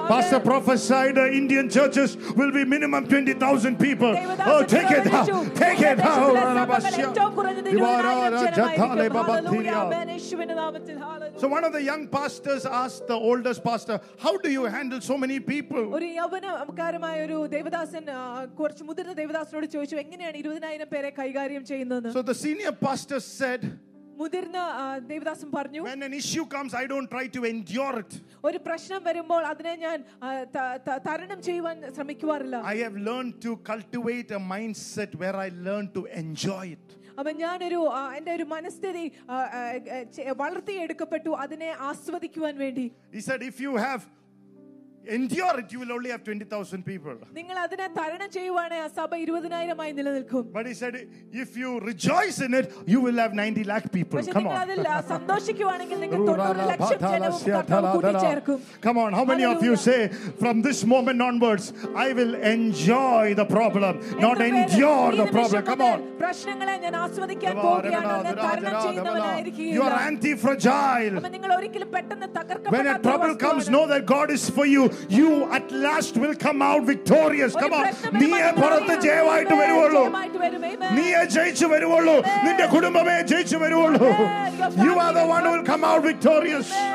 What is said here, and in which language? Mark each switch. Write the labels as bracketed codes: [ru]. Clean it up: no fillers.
[en] Pastor prophesied Indian churches will be minimum 20,000 people. Oh, take it. Take it. Hallelujah. Hallelujah. So one of the young pastors asked the oldest pastor, how do you handle so many people? [ml] ഒരു യവനകാരമായ ഒരു ദേവദാസൻ കുറച്ച് മുതിർന്ന ദേവദാസനോട് ചോദിച്ചു എങ്ങനെയാണ് 20,000 പേരെ കൈകാര്യം ചെയ്യുന്നത്. [en] So the senior pastor said, [ml] മുതിർന്ന ദേവദാസൻ പറഞ്ഞു, [en] when an issue comes I don't try to endure it. [ml] ഒരു പ്രശ്നം വരുമ്പോൾ അതിനെ ഞാൻ തരണം ചെയ്യാൻ ശ്രമിക്കാറില്ല. [en] I have learned to cultivate a mindset where I learn to enjoy it. [ml] അപ്പൊ ഞാനൊരു എന്റെ ഒരു മനസ്ഥിതി വളർത്തിയെടുക്കപ്പെട്ടു അതിനെ ആസ്വദിക്കുവാൻ വേണ്ടി. [en] He said, if you have endure it, you will only have 20,000 people. [ml] നിങ്ങൾ അതിനെ തരണം ചെയ്യുവാണെ സഭ 20,000 ആയി നിലനിൽക്കും. [en] But he said, if you rejoice in it, you will have 90 lakh people. Come on. [ml] സന്തോഷിക്കുവാണെങ്കിൽ നിങ്ങൾ 90 ലക്ഷം ജനവും ചേർക്കും. [en] Come on, how many of you say from this moment onwards I will enjoy the problem, not endure the problem? Come on. [ml] പ്രശ്നങ്ങളെ ഞാൻ ആസ്വദിക്കാൻ പോവുകയാണ്, അതിനെ തരണം ചെയ്യുന്നവനായിരിക്കില്ല. [en] You are antifragile. [ml] നിങ്ങൾ ഒരിക്കലും പെട്ടെന്ന് തകർക്കപ്പെടാതെ. [en] When a trouble comes, know that God is for you. You at last will come out victorious. Come on. [ml] നീയേ പുറത്ത് ജയമായിട്ട് വരുവുള്ളൂ. നീയേ ജയിച്ചു വരുവുള്ളൂ. നിന്റെ കുടുംബമേ ജയിച്ചു വരുവുള്ളൂ. [en] You are the one who will come out victorious.